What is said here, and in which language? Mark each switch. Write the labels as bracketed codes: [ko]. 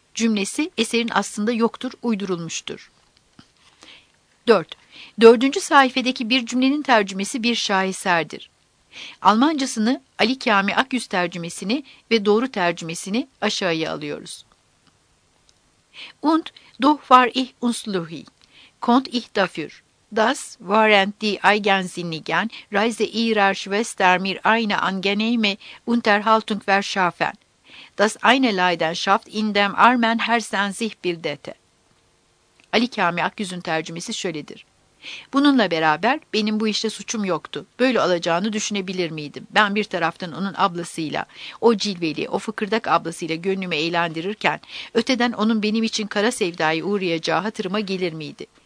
[tr] cümlesi eserin aslında yoktur, uydurulmuştur. 4. 4. sayfedeki bir cümlenin tercümesi bir şaheserdir. Almancasını Ali Kami Akyüz tercümesini ve doğru tercümesini aşağıya alıyoruz. [de] Und doch war ich unschlüssig, konnte ich dafür, dass während die eigensinnigen Reise ihrer Schwester mir eine angenehme Unterhaltung verschaffen, dass eine Leidenschaft in dem armen Herzen sich bildete. [tr] Ali Kami Akyüz'ün tercümesi şöyledir. Bununla beraber benim bu işte suçum yoktu. Böyle olacağını düşünebilir miydim? Ben bir taraftan onun ablasıyla, o cilveli, o fıkırdak ablasıyla gönlümü eğlendirirken, öteden onun benim için kara sevdaya uğrayacağı hatırıma gelir miydi?